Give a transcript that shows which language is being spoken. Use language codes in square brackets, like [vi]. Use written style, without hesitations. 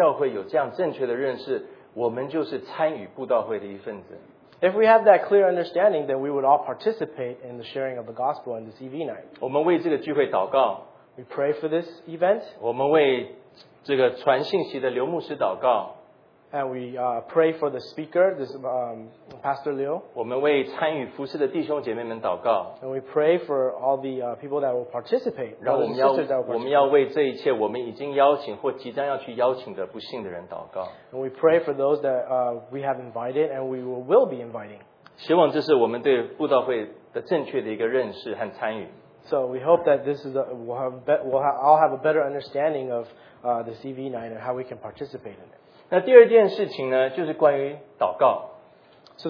[zh] 如果我们对神的身体，我们如果对教会有这样正确的认识， 我们就是参与布道会的一份子。 [en] If we have that clear understanding, then we would all participate in the sharing of the gospel on this EV night. [zh] 我们为这个聚会祷告。 [en] We pray for this event. [zh] 我们为这个传信息的刘牧师祷告。 [en] And we pray for the speaker, this Pastor Liu. [zh] 我们为参与服事的弟兄姐妹们祷告。 [en] And we pray for all the people that will participate. [zh] 然后我们要为这一切我们已经邀请或即将要去邀请的不幸的人祷告。 [en] And we pray for those that we have invited and we will be inviting. [zh] 希望这是我们对布道会的正确的一个认识和参与。 [en] So we hope that this is we'll all have a better understanding of the CV night and how we can participate in it. [zh] 那第二件事情呢，就是关于祷告。 [en] So